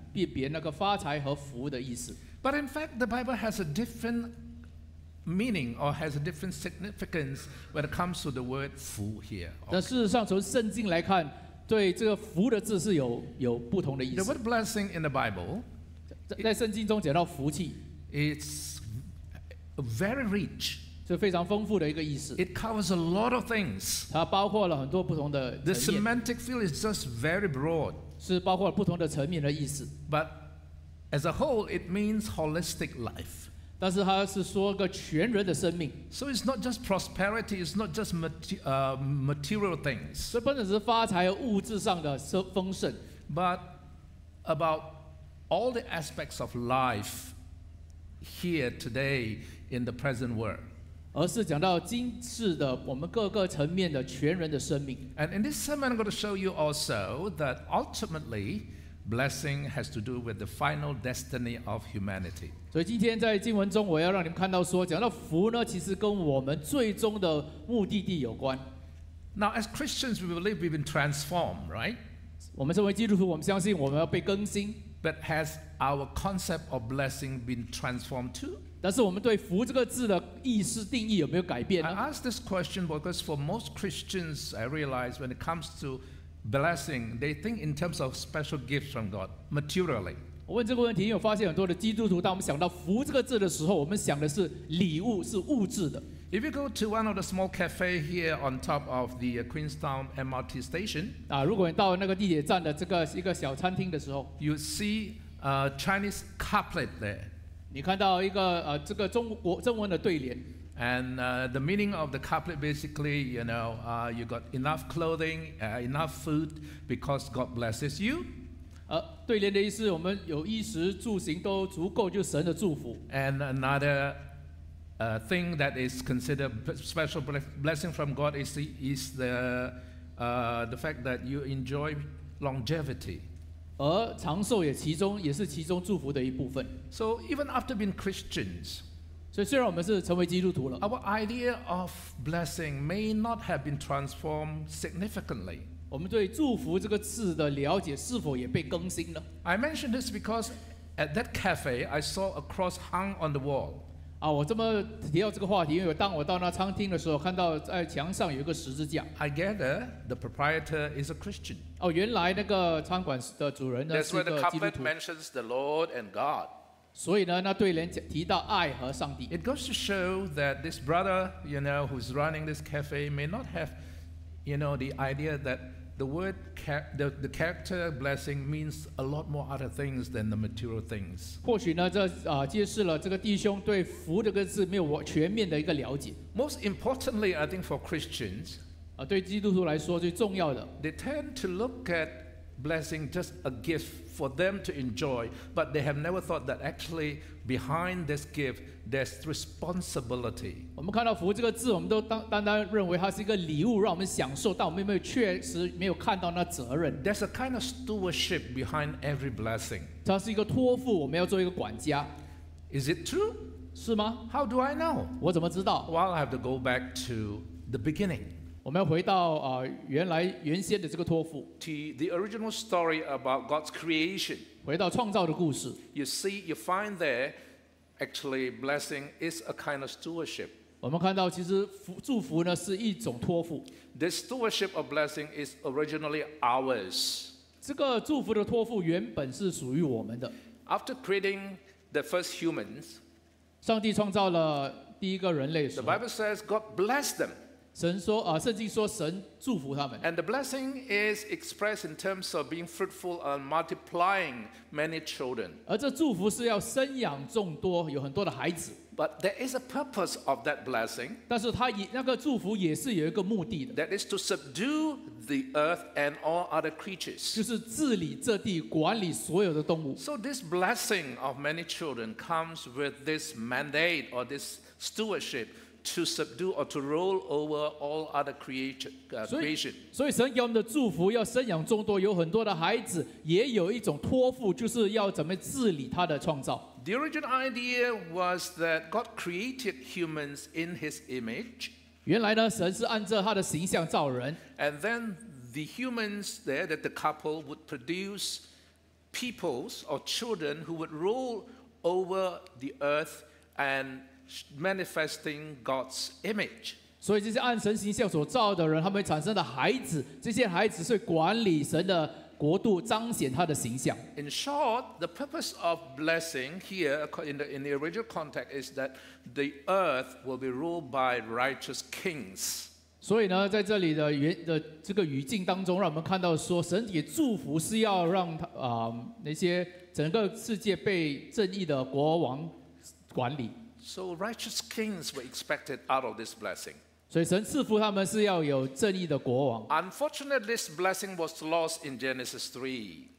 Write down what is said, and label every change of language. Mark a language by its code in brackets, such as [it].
[zh] 身为华人呢，有时候我们很难辨别那个发财和福的意思。 [en] But in fact, the Bible has a different meaning or has a different significance when it comes to the word 福 here. Okay. [zh] 但事实上，从圣经来看，对这个福的字是有不同的意思。 [en] The word blessing in the Bible. [zh] 在圣经中讲到福气， [en] It's very rich. [zh] 是非常丰富的一个意思。 [en] It covers a lot of things. [zh] 它包括了很多不同的层面。 [en] The semantic field is just very broad. [zh] 是包括了不同的层面的意思。 [en] But as a whole, it means holistic life. [zh] 但是它是说个全人的生命。 [en] So it's not just prosperity. It's not just material things. [zh] 这不只是发财物质上的丰盛。 [en] But about all the aspects of life here today in the present world. [zh] 而是讲到今世的我们各个层面的全人的生命。 [en] And in this sermon, I'm going to show you also that ultimately, blessing has to do with the final destiny of humanity. [zh] 所以今天在经文中，我要让你们看到说，讲到福呢，其实跟我们最终的目的地有关。 [en] Now, as Christians, we believe we've been transformed, right? [zh] 我们身为基督徒，我们相信我们要被更新。 [en] But has our concept of blessing been transformed too? [zh] 但是我们对福这个字的意思定义有没有改变呢？ [en] I ask this question because for most Christians, I realize when it comes to blessing, they think in terms of special gifts from God, materially. [zh] 我问这个问题，因为我发现很多的基督徒，当我们想到福这个字的时候，我们想的是礼物，是物质的。 [en] If you go to one of the small cafe here on top of the Queenstown MRT station, [zh] 如果你到那个地铁站的这个一个小餐厅的时候 [en] ，you see a Chinese couplet there. [zh] 你看到一个这个中文的对联。 [en] And the meaning of the couplet basically, you know, you got enough clothing, enough food, because God blesses you. [zh] 对联的意思，我们有衣食住行都足够，就神的祝福。 [en] And another. A thing that is considered special blessing from God is the fact that you enjoy longevity. [zh] 而长寿也是其中祝福的一部分。 [en] So even after being Christians, [zh] 所以虽然我们是成为基督徒了 [en] ，our idea of blessing may not have been transformed significantly. [zh] 我们对祝福这个字的了解是否也被更新了 [en] ？I mention this because at that cafe, I saw a cross hung on the wall. [zh] 我这么提到这个话题，因为当我到那餐厅的时候，看到在墙上有一个十字架。 [en] I gather the proprietor is a Christian. [zh] 原来那个餐馆的主人呢是一个基督徒。 [en] That's where the couplet mentions the Lord and God. [zh] 所以呢，那对联提到爱和上帝。 [en] It goes to show that this brother, you know, who's running this cafe, may not have, you know, the idea that the character blessing means a lot more other things than the material things. [zh] 或许呢，这揭示了这个弟兄对福这个字没有全面的一个了解。 [en] Most importantly, I think for Christians, [zh] 对基督徒来说最重要的 [en] ，they tend to look at blessing just a gift for them to enjoy, but they have never thought that actually behind this gift there's responsibility. [zh] 我们看到福这个字，我们都单单认为它是一个礼物，让我们享受，但我们确实没有看到那责任。 [en] There's a kind of stewardship behind every blessing. [zh] 它是一个托付，我们要做一个管家。 [en] Is it true? [zh] 是吗 [en] ？How do I know? [zh] 我怎么知道 [en] ？Well, I have to go back to the beginning. [zh] 我们要回到原先的这个托付。 [en] The original story about God's creation. [zh] 回到创造的故事。 [en] You see, you find there, actually, blessing is a kind of stewardship. [zh] 我们看到其实祝福呢是一种托付。 [en] The stewardship of blessing is originally ours. [zh] 这个祝福的托付原本是属于我们的。 [en] After creating the first humans, [zh] 上帝创造了第一个人类的时候 [en] ，The Bible says God blessed them. [zh] 神说圣经说神祝福他们。 [en] And the blessing is expressed in terms of being fruitful and multiplying many children. [zh] 而这祝福是要生养众多，有很多的孩子。 [en] But there is a purpose of that blessing. [zh] 但是他那个祝福也是有一个目的的。 [en] That is to subdue the earth and all other creatures. [zh] 就是治理这地，管理所有的动物。 [en] So this blessing of many children comes with this mandate or this stewardship. To subdue or to rule over all other creation. [zh] 所以神给我们的祝福要生养众多，有很多的孩子，也有一种托付，就是要怎么治理他的创造。 [en] The original idea was that God created humans in His image. [zh] 原来呢，神是按照他的形象造人。 [en] And then the humans there, that the couple would produce peoples or children who would rule over the earth and. Manifesting God's image. [zh] 所以这些按神形象所造的人，他们产生的孩子，这些孩子是管理神的国度，彰显他的形象。 [en] In short, the purpose of blessing here in the original context is that the earth will be ruled by righteous kings. [zh] 所以呢，在这里的这个语境当中，让我们看到说，神给祝福是要让那些整个世界被正义的国王管理。 [en] So righteous kings were expected out of this blessing. [zh] 所以神赐福他们是要有正义的国王。 [en] Unfortunately, this blessing was lost in Genesis 3.